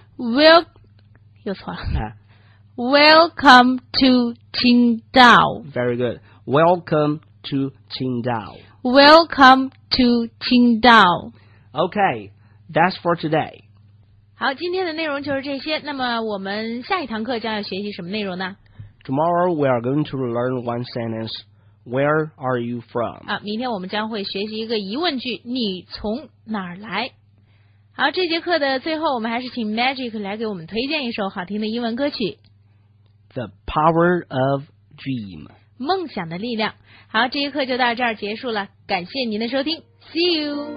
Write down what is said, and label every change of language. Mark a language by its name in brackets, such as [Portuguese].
[English] Well， [Chinese] 又错了。哎， [English] Welcome to Qingdao. Very good. Welcome to Qingdao. Welcome to Qingdao. Okay, that's for today. [Chinese] 好，今天的内容就是这些。那么我们下一堂课将要学习什么内容呢？ [English] Tomorrow we are going to learn one sentence Where are you from? [Chinese] 啊，明天我们将会学习一个疑问句，你从哪儿来？好，这节课的最后，我们还是请 Magic 来给我们推荐一首好听的英文歌曲。 [English] The Power of Dream， [Chinese] 梦想的力量。好，这节课就到这儿结束了，感谢您的收听 ， [English] See you，